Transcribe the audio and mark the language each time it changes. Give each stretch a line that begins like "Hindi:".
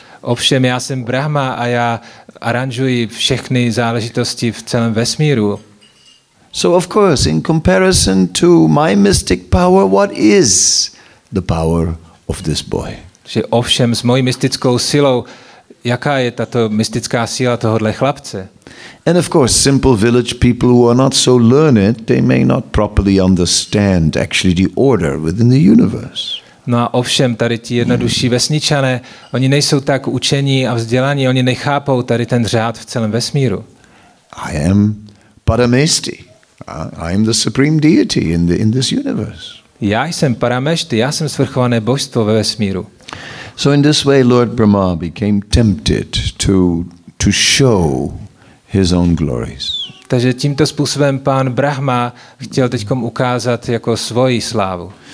Czech: Ovšem, já jsem Brahma a já aranžuji všechny záležitosti v celém vesmíru.
English: So of course, in comparison to my mystic power, what is the power of this boy?
Czech: Že ovšem s mojí mystickou silou, jaká je tato mystická síla tohohle chlapce?
English: And of course, simple village people who are not so learned, they may not properly understand actually the order within the universe.
Czech: No a ovšem, tady ti jednodušší vesničané, oni nejsou tak učení a vzdělaní, oni nechápou tady ten řád v celém vesmíru.
English: I am Paramesti. I am the supreme deity in this universe.
Czech: Já jsem Paramesti, já jsem svrchované božstvo ve vesmíru.
English: So in this way Lord Brahma became tempted to show his own glories.
Czech: Takže tímto způsobem pán Brahma chtěl teďkom ukázat jako svoji slávu.